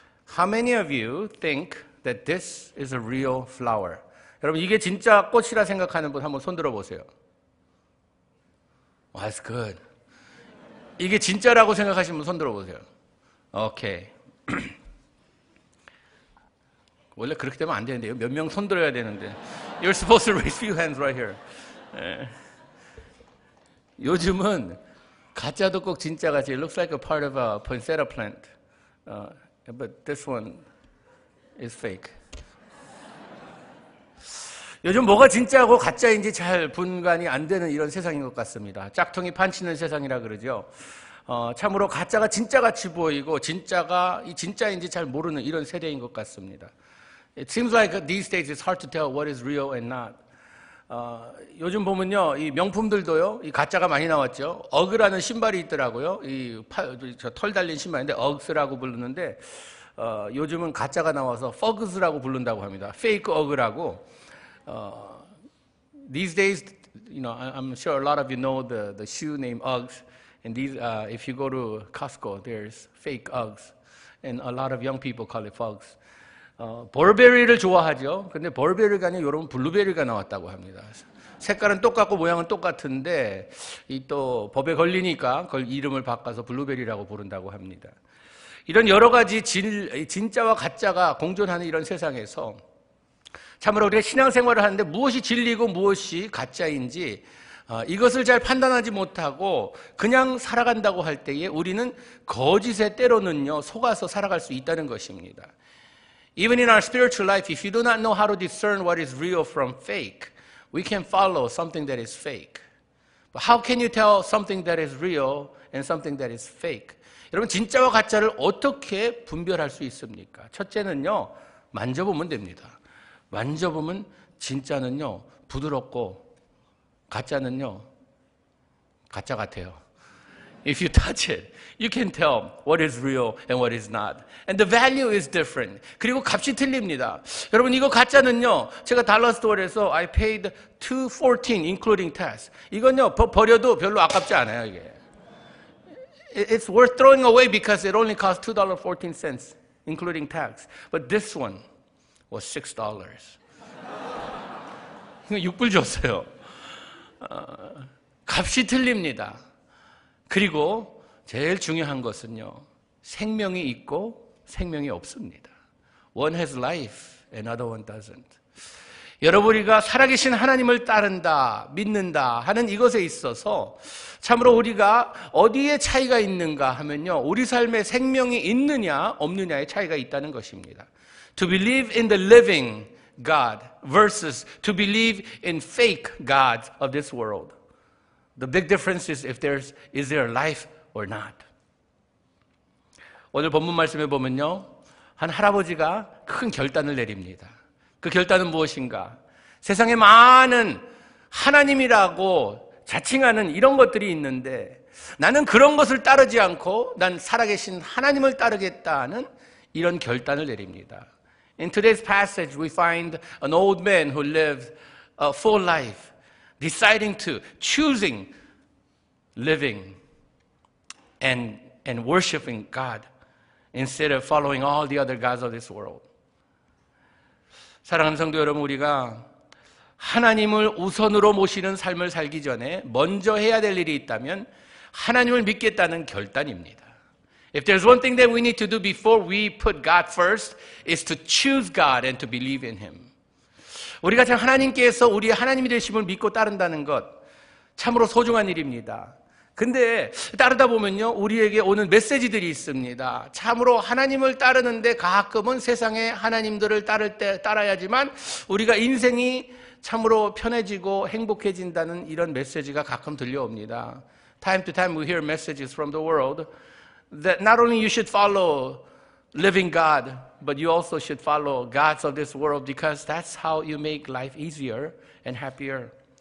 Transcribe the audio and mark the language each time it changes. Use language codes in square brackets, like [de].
[en] How many of you think that this is a real flower? [ko] 여러분 이게 진짜 꽃이라 생각하는 분 한번 손들어 보세요. [en] Well, that's good. [ko] 이게 진짜라고 생각하시는 분 손들어 보세요. 오케이. [en] Okay. [ko] 원래 그렇게 되면 안 되는데요. 몇 명 손들어야 되는데. [en] You're supposed to raise few hands right here. [ko] 요즘은 가짜도 꼭 진짜 같이 [en] It looks like a part of a poinsettia plant. But this one is fake. [ko] 요즘 뭐가 진짜고 가짜인지 잘 분간이 안 되는 이런 세상인 것 같습니다. 짝퉁이 판치는 세상이라 그러죠. 참으로 가짜가 진짜같이 보이고 진짜가 이 진짜인지 잘 모르는 이런 세대인 것 같습니다. [en] It seems like these days it's hard to tell what is real and not. [ko] 요즘 보면요, 이 명품들도요, 이 가짜가 많이 나왔죠. 어그라는 신발이 있더라고요. 털 달린 신발인데 어그스라고 부르는데 요즘은 가짜가 나와서 퍼그스라고 부른다고 합니다. 페이크 어그라고. [en] These days, you know, I'm sure a lot of you know the shoe name Uggs. And these, if you go to Costco, there's fake Uggs, and a lot of young people call it Uggs. [ko] 볼베리를 좋아하죠. 근데 볼베리가 아니라 여러분 블루베리가 나왔다고 합니다. 색깔은 똑같고 모양은 똑같은데 이 또 법에 걸리니까 그걸 이름을 바꿔서 블루베리라고 부른다고 합니다. 이런 여러 가지 진짜와 가짜가 공존하는 이런 세상에서 참으로 우리가 신앙생활을 하는데 무엇이 진리고 무엇이 가짜인지 이것을 잘 판단하지 못하고 그냥 살아간다고 할 때에 우리는 거짓에 때로는요 속아서 살아갈 수 있다는 것입니다. [en] Even in our spiritual life, if you do not know how to discern what is real from fake, we can follow something that is fake. But how can you tell something that is real and something that is fake? [ko] 여러분, 진짜와 가짜를 어떻게 분별할 수 있습니까? 첫째는요, 만져보면 됩니다. 만져보면 진짜는요, 부드럽고 가짜는요, 가짜 같아요. [en] If you touch it, you can tell what is real and what is not. And the value is different. [ko] 그리고 값이 틀립니다. 여러분 이거 가짜는요. 제가 달러 스토어에서 [en] I paid $2.14 including tax. [ko] 이건요 버려도 별로 아깝지 않아요 이게. [en] It's worth throwing away because it only cost $2.14 including tax. But this one was $6. [ko] 6불 줬어요. 값이 틀립니다. 그리고 제일 중요한 것은요. 생명이 있고 생명이 없습니다. [en] One has life, another one doesn't. [ko] 여러분이가 살아계신 하나님을 따른다, 믿는다 하는 이것에 있어서 참으로 우리가 어디에 차이가 있는가 하면요. 우리 삶에 생명이 있느냐 없느냐의 차이가 있다는 것입니다. [en] To believe in the living God versus to believe in fake gods of this world. The big difference is if there's is there life or not. [ko] 오늘 본문 말씀해 보면요. 한 할아버지가 큰 결단을 내립니다. 그 결단은 무엇인가? 세상에 많은 하나님이라고 자칭하는 이런 것들이 있는데 나는 그런 것을 따르지 않고 난 살아계신 하나님을 따르겠다는 이런 결단을 내립니다. [en] In today's passage, we find an old man who lived a full life, deciding to, choosing, living, and worshiping God instead of following all the other gods of this world. [ko] 사랑하는 성도 여러분, 우리가 하나님을 우선으로 모시는 삶을 살기 전에 먼저 해야 될 일이 있다면 하나님을 믿겠다는 결단입니다. [en] If there's one thing that we need to do before we put God first, is to choose God and to believe in Him. [ko] 우리가 참 하나님께서 우리의 하나님이 되심을 믿고 따른다는 것 참으로 소중한 일입니다. 근데 따르다 보면요, 우리에게 오는 메시지들이 있습니다. 참으로 하나님을 따르는데 가끔은 세상의 하나님들을 따를 때 따라야지만 우리가 인생이 참으로 편해지고 행복해진다는 이런 메시지가 가끔 들려옵니다. [en] Time to time we hear messages from the world that not only you should follow living God, but you also should follow gods of this world because that's how you make life easier and happier.